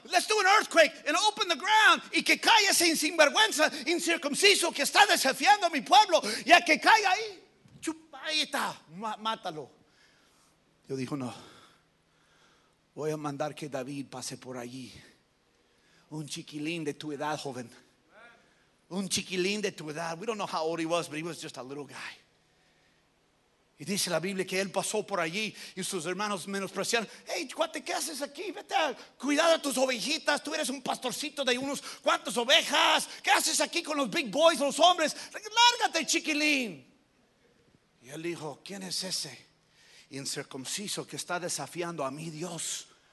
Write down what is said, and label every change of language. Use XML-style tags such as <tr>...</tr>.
<en>Let's do an earthquake and open the ground.</en> <es>Y que caiga ese sinvergüenza, incircunciso, que está desafiando a mi pueblo. Y a que caiga ahí, chupaita, mátalo. Yo dijo: no, voy a mandar que David pase por allí. Un chiquilín de tu edad, joven.</es> <en>We don't know how old he was, but he was just a little guy.</en> <es>Y dice la Biblia que él pasó por allí y sus hermanos menospreciaron. Hey, cuate, ¿qué haces aquí? Vete a cuidar a tus ovejitas. Tú eres un pastorcito de unos cuantos ovejas. ¿Qué haces aquí con los</es> <en>big boys,</en> <es>los hombres? Lárgate, chiquilín. Y él dijo, ¿quién es ese incircunciso que está desafiando a mi Dios?</es>